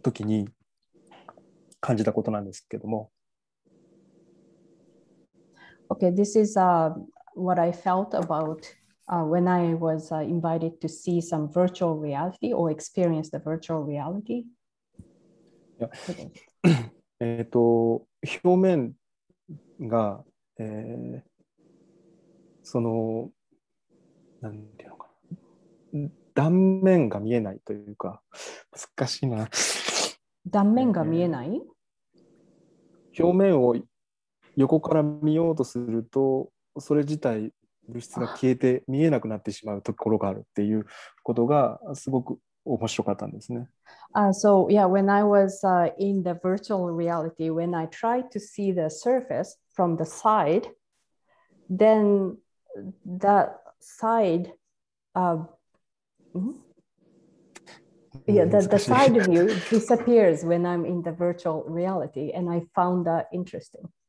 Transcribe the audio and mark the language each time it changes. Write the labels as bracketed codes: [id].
[ja] 時に感じたことなんですけども。 [en] Okay, this is what I felt aboutwhen I was invited to see some virtual reality or experience the virtual reality. Yeah. [ja] 表面が、その、なんていうのかな。断面が見えないというか、難しいな。断面が見えない？表面を横から見ようとすると、それ自体、物質が消えて見えなくなってしまうところがあるっていうことがすごく面白かったんですね。 [en] So yeah, when I was in the virtual reality, when I tried to see the surface from the side, then that side, the side view disappears when I'm in the virtual reality, and I found that interesting.